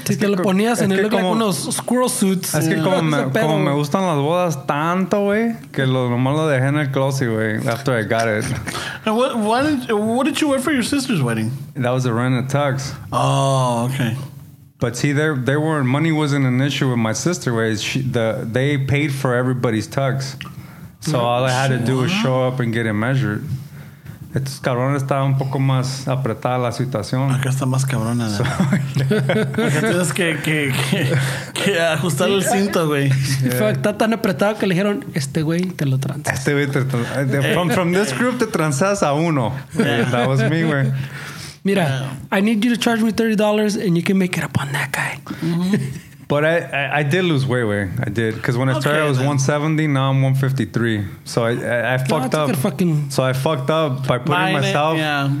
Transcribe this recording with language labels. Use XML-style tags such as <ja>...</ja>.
<es>Te lo ponías en el look como, like unos</es> <en>squirrel suits.</en> <es>Es que como me gustan las bodas tanto, güey, que nomás lo dejé en el closet, güey,</es> <en>after I got it. And what did you wear for your sister's wedding? That was a rented tux. Oh, okay. But see, there were money wasn't an issue with my sister, way. They paid for everybody's tux. So all I had to do was show up and get it measured.</en> <es>Estos cabrones estaban un poco más apretada la situación. Acá está más cabrona. Acá tienes que ajustar el cinto, güey. Está tan apretado que le dijeron, este güey te lo tranzas. Este güey te lo</es> <en>from this group</en> <es>te tranzas a uno.</es> <en>That was me, güey. Mira, I need you to charge me $30 and you can make it up on that guy. But I did lose weight, way. I did. Because when I started, I was 170. Now I'm 153. So I fucked up. So I fucked up by putting myself.</en>